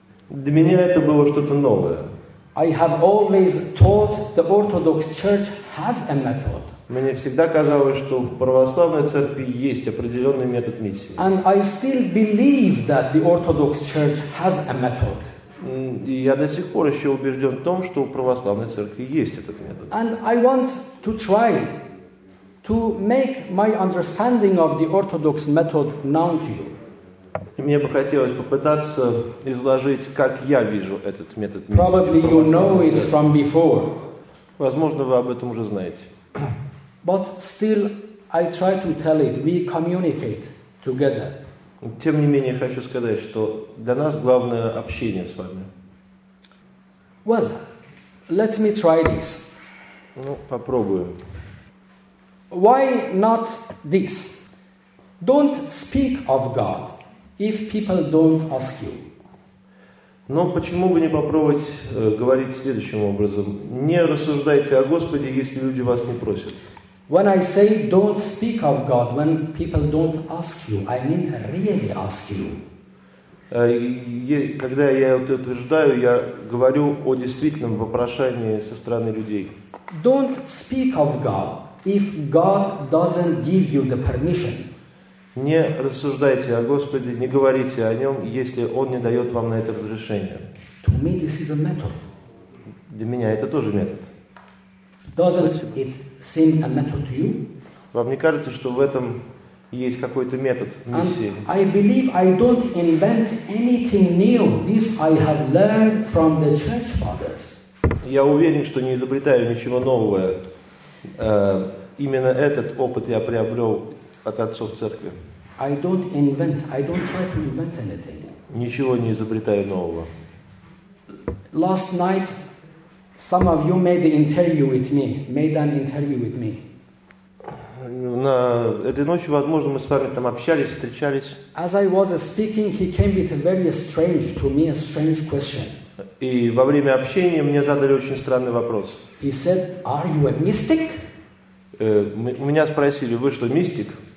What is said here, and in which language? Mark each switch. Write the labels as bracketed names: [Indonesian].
[Russian] Для меня это было что-то новое. [English] I have always thought the Orthodox Church has a method. [Russian] Мне всегда казалось, что в православной церкви есть определенный метод миссии. [English] And I still believe that the Orthodox Church has a method. [Russian] И я до сих пор еще убежден в том, что в православной церкви есть этот метод. [English] And I want to try to make my understanding of the Orthodox method known to you. [Russian] Мне бы хотелось попытаться изложить, как я вижу этот метод миссии. [English] Probably you know it from before. [Russian] Возможно, вы об этом уже знаете. [English] But still, I try to tell it. We communicate together. [Russian] Тем не менее, хочу сказать, что для нас главное общение с вами. [English] Well, let me try this. [Russian] Ну, попробуем. [English] Why not this? Don't speak of God if people don't ask you. [Russian] Но почему бы не попробовать говорить следующим образом? Не рассуждайте о Господе, если люди вас не просят. [English] When I say don't speak of God, when people don't ask you, I mean really ask you. [Russian] Когда я это утверждаю, я говорю о действительном вопрошении со стороны людей. [English] Don't speak of God if God doesn't give you the permission. [Russian] Не рассуждайте о Господе, не говорите о Нем, если Он не дает вам на это разрешение. [English] To me this is a method. [Russian] Для меня это тоже метод. [English] Doesn't it seem a method to you? [Russian] Вам не кажется, что в этом есть какой-то метод миссии? [English] And I believe I don't invent anything new. This I have learned from the church fathers. [Russian] Я уверен, что не изобретаю ничего нового. Именно этот опыт я приобрел от отцов церкви. [English] I don't invent. I don't try to invent anything. [Russian] Ничего не изобретаю нового. [English] Last night. Some of you made an interview with me. [Russian] На этой ночью, возможно, мы с вами там общались, встречались. [English] As I was speaking, he came with a very strange to me a strange question. [Russian] И во время общения мне задали очень странный вопрос. [English] He said, "Are you a mystic?" [Russian] меня спросили, вы что, мистик?